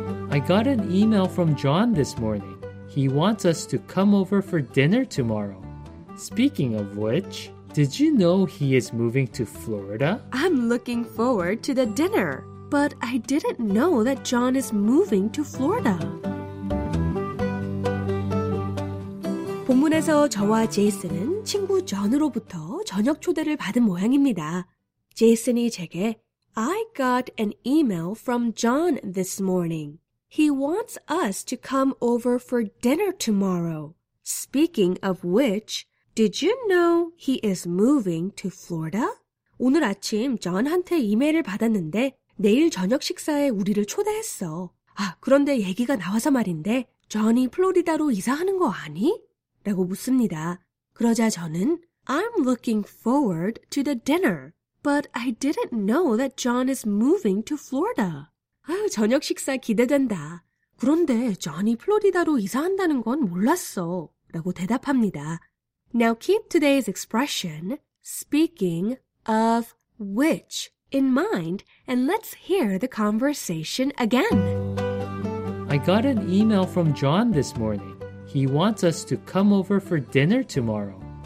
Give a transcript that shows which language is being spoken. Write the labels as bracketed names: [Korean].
[English] I got an email from John this morning. He wants us to come over for dinner tomorrow. Speaking of which, did you know he is moving to Florida? I'm looking forward to the dinner, but I didn't know that John is moving to Florida. [Korean] 본문에서 저와 제이슨은 친구 존으로부터 저녁 초대를 받은 모양입니다. 제이슨이 제게 [English] I got an email from John this morning. He wants us to come over for dinner tomorrow. Speaking of which, did you know he is moving to Florida? [Korean] 오늘 아침 존한테 이메일을 받았는데 내일 저녁 식사에 우리를 초대했어. 아, 그런데 얘기가 나와서 말인데 존이 플로리다로 이사하는 거 아니? 라고 묻습니다. 그러자 저는 [English] I'm looking forward to the dinner, but I didn't know that John is moving to Florida. [Korean] 아유, 저녁 식사 기대된다. 그런데 존이 플로리다로 이사한다는 건 몰랐어. 라고 대답합니다. [English] Now keep today's expression, speaking of which, in mind, and let's hear the conversation again. I got an email from John this morning. He wants us to come over for dinner tomorrow.